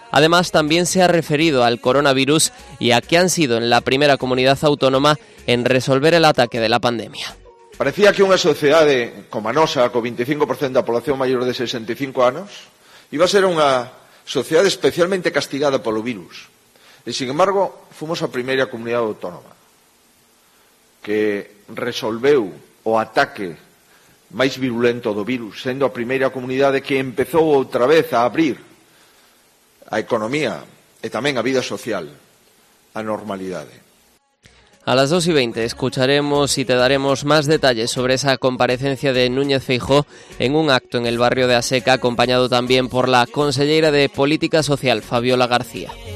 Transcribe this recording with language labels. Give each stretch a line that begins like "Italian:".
Spanish: Además, también se ha referido al coronavirus y a que han sido en la primera comunidad autónoma en resolver el ataque de la pandemia. Parecía que una sociedad como
Galician: a nosa,
Spanish: con 25% de la población mayor de 65 años, iba a ser una sociedad especialmente castigada por el virus. Y sin embargo, fuimos
Galician: a primera comunidad autónoma que resolveu o ataque máis virulento do virus, sendo a primeira comunidade que empezou outra vez a abrir a economía e tamén a vida social a normalidade.
Spanish: A las 2:20 escucharemos y te daremos más detalles sobre esa comparecencia de Núñez Feijóo en un acto en el barrio de Aseca, acompañado también por la conselleira de Política Social, Fabiola García.